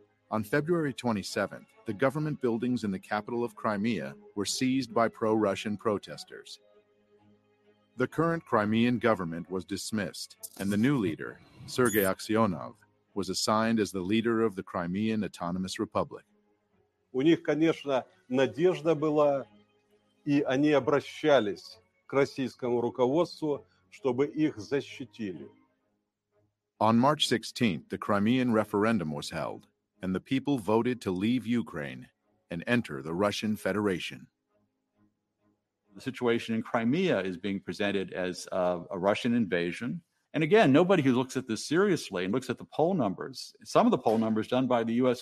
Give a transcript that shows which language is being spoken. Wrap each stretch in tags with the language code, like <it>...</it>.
<en>On February 27th, the government buildings in the capital of Crimea were seized by pro-Russian protesters. The current Crimean government was dismissed, and the new leader, Sergei Aksionov, was assigned as the leader of the Crimean Autonomous Republic.</en> <ru>У них, конечно, надежда была, и они обращались к российскому руководству, чтобы их защитили.</ru> <en>On March 16th, the Crimean referendum was held, and the people voted to leave Ukraine and enter the Russian Federation. The situation in Crimea is being presented as a Russian invasion. And again, nobody who looks at this seriously and looks at the poll numbers, some of the poll numbers done by the U.S.</en>